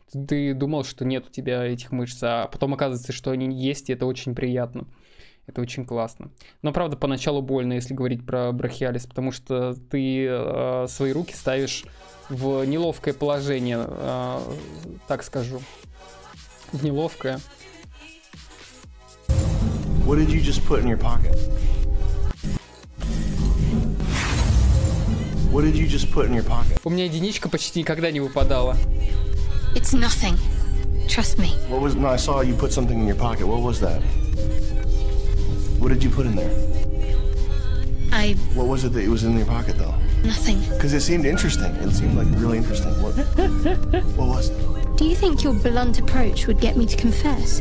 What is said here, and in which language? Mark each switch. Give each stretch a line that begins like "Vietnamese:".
Russian: Ты думал, что нет у тебя этих мышц, а потом оказывается, что они есть, и это очень приятно. Это очень классно. Но, правда, поначалу больно, если говорить про брахиалис, потому что ты свои руки ставишь в неловкое положение, так скажу. В неловкое.
English: What did you just put in your pocket? What did you just put in your pocket?
Russian: У меня единичка почти никогда не выпадала.
English: It's nothing. Trust me. What was? No, I saw you put something in your pocket. What was that? What did you put in there? What was it that was in your pocket, though? Nothing. Because it seemed interesting. It seemed like really interesting. What? What was it? Do you think your blunt approach would get me to confess?